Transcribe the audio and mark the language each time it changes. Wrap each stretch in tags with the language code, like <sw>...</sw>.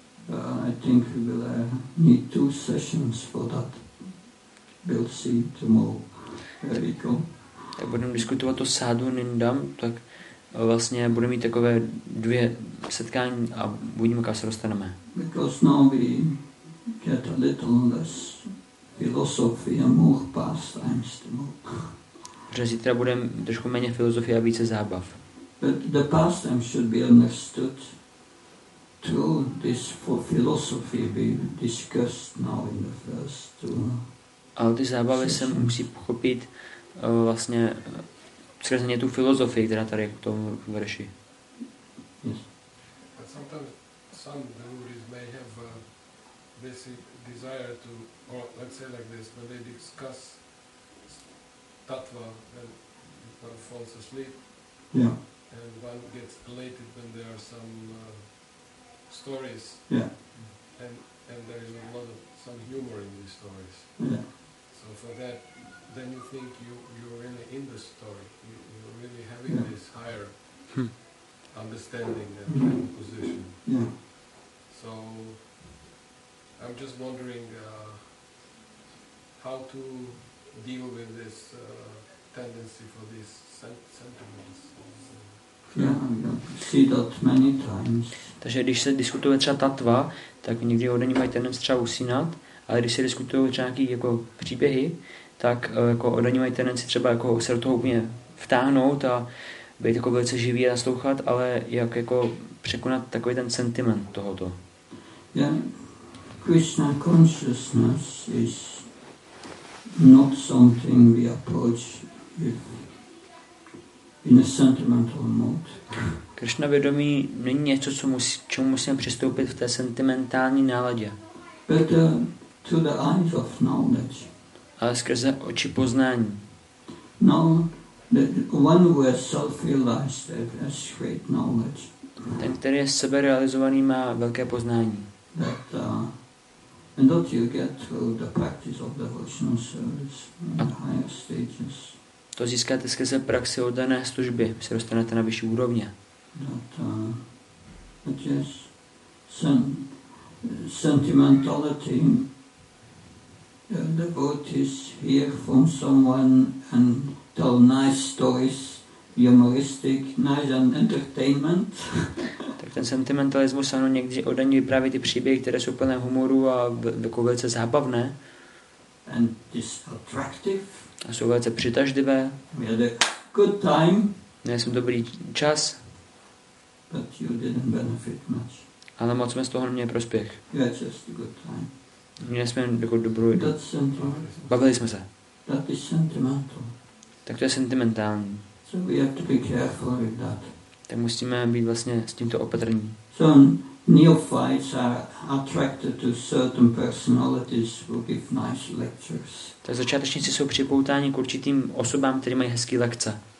<en>I think we will need 2 sessions for that. We'll see tomorrow. There we go.</en> <cs>Tak budeme diskutovat o sadhaninda, tak vlastně budeme mít takové 2 setkání a uvidíme, kam se dostaneme.</cs> <en>Because now we get a little less philosophy and more pastimes tomorrow.</en> <cs>Protože zítra budeme trošku méně filozofie a více zábav.</cs> <en>But the pastime should be understood to this for philosophy we discussed now in the first two.</en> <cs>Ale ty zábavy se musí pochopit vlastně skrze tu filozofii, která tady je k tomu verši.</cs> <en>But sometimes some devotees may have a basic desire to, or let's say like this, when they discuss tattva, then one falls asleep. Yeah. And one gets elated when there are some stories. Yeah. And there is a lot of some humor in these stories. Yeah. So for that, then you think you're really in the story. You're really having this higher understanding and position. Yeah. So I'm just wondering how to deal with this tendency for these sentiments. Yeah, see that many times.</en> <cs>Takže když se diskutuje třeba tatva, tak někdy ode ní mají tendenci třeba usínat. Ale když se diskutují nějaké jako příběhy, tak jako od něj mají tendenci třeba jako se do toho úplně vtáhnout a být jako velice živý a naslouchat, ale jak jako překonat takový ten sentiment tohoto.</cs> <en>Yeah. Krishna consciousness is not something we approach in a sentimental mode.</en> <cs>Krishna vědomí není něco, čemu musíme přistoupit v té sentimentální náladě.</cs> <en>To the eyes of knowledge.</en> <cs>Ale skrze oči poznání.</cs> <en>No, the one who has self-realized has great knowledge.</en> <cs>Ten, který je seberealizovaný, má velké poznání.</cs> <en>That, and that you get through the practice of the devotional service in the higher stages.</en> <cs>To získáte skrze praxi oddané služby, se dostanete na vyšší úrovně.</cs> <en>That yes, sentimentality. The devotees hear from someone and tell nice stories, humoristic, nice and entertainment.</en> <cs>Tak ten sentimentalismus, ano, někdy od něj vypráví ty příběhy, které jsou plné humoru a jako velice zábavné.</cs> <en>And this attractive.</en> <cs>A jsou velice přitažlivé.</cs> <en>We had a good time.</en> <cs>Měli jsme dobrý čas.</cs> <en>But you didn't benefit much.</en> <cs>Ale moc jsme z toho neměli prospěch.</cs> <en>Yeah, just a good time.</en> <cs>Měli jsme jako dobrou jdu. Bavili jsme se.</cs> <en>That is sentimental.</en> <cs>Tak to je sentimentální.</cs> <en>So we have to be careful with that.</en> <cs>Tak musíme být vlastně s tímto opatrní.</cs> <en>So neophytes are attracted to certain personalities who give nice lectures.</en> <cs>Tak začátečníci jsou připoutáni k určitým osobám, které mají hezký lekce.</cs>